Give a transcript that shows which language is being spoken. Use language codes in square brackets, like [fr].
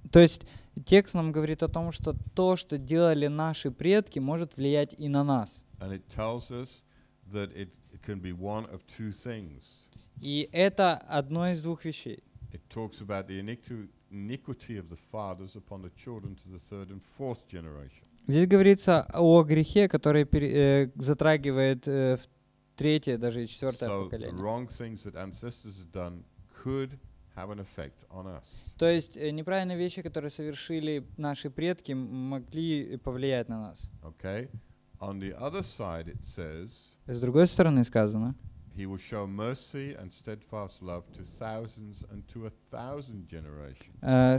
[ru] То есть текст нам говорит о том, что то, что делали наши предки, может влиять и на нас. [en] And it tells us that it can be one of two things. [ru] И это одно из двух вещей. [en] It talks about the iniquity of the fathers upon the children to the third and fourth generation. [ru] Здесь говорится о грехе, который затрагивает в третье, даже и четвертое поколение. [en] So wrong things that ancestors have done could have an effect on us. [ru] То есть неправильные вещи, которые совершили наши предки, могли повлиять на нас. [en] Okay. On the other side it says, [ru] с другой стороны сказано, [en] he will show mercy and steadfast love to thousands and to a thousand generations.